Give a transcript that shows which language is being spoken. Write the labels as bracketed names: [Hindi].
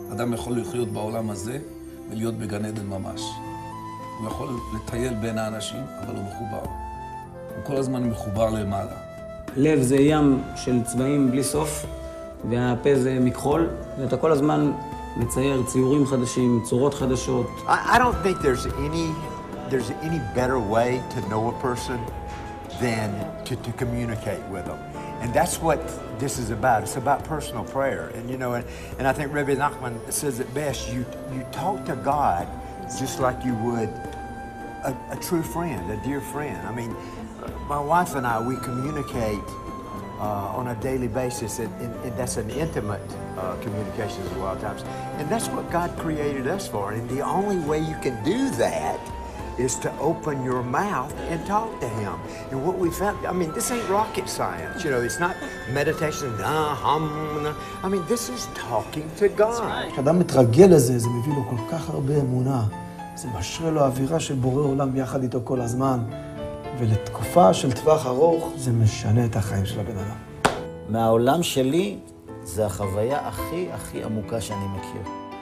[Hebrew] אדם יכול לחיות בעולם הזה ולהיות בגן עדן ממש. הוא יכול לטייל בין האנשים, אבל הוא מחובר. הוא כל הזמן מחובר למעלה. לב זה ים של צבעים בלי סוף, והפה זה מכחול, ואתה כל הזמן מצייר ציורים חדשים, צורות חדשות. [English] I don't think there's any better way to know a person than to communicate with them. And that's what this is about. It's about personal prayer. And you know, and I think Rabbi Nachman says it best, you talk to God just like you would a true friend, a dear friend. I mean, my wife and I, we communicate on a daily basis, and that's an intimate communication a lot of times. And that's what God created us for. And the only way you can do that is to open your mouth and talk to him. And what we found, I mean, this ain't rocket science, you know, it's not meditation, I mean, this is talking to God. [Hebrew] כשאדם מתרגל לזה, זה מביא לו כל כך הרבה אמונה, זה משרה לו אווירה של בורא עולם יחד איתו כל הזמן, ולתקופה של טווח ארוך, זה משנה את החיים של הבן אדם. מהעולם שלי, זה החוויה הכי הכי עמוקה שאני מכיר.